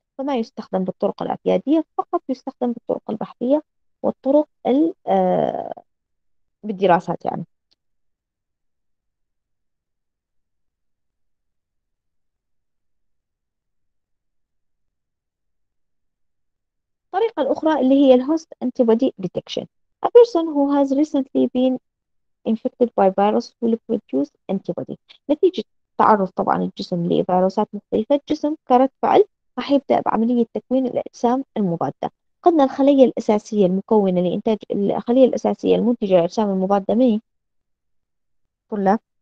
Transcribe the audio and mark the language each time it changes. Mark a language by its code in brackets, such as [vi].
[ar] فما يستخدم بالطرق الاعتيادية، فقط يستخدم بالطرق البحثية والطرق بالدراسات يعني. الطريقة الأخرى اللي هي الهوست أنتيبودي ديتكشن. [en] A person who has recently been infected by virus will produce antibody. [ar] نتيجة تعرض طبعا الجسم لفيروسات مختلفة، الجسم كرد فعل راح يبدأ بعملية تكوين الأجسام المضادة. قلنا الخلية الأساسية المكونة لإنتاج الخلية الأساسية المنتجة للأجسام المضادة مين؟ طلاب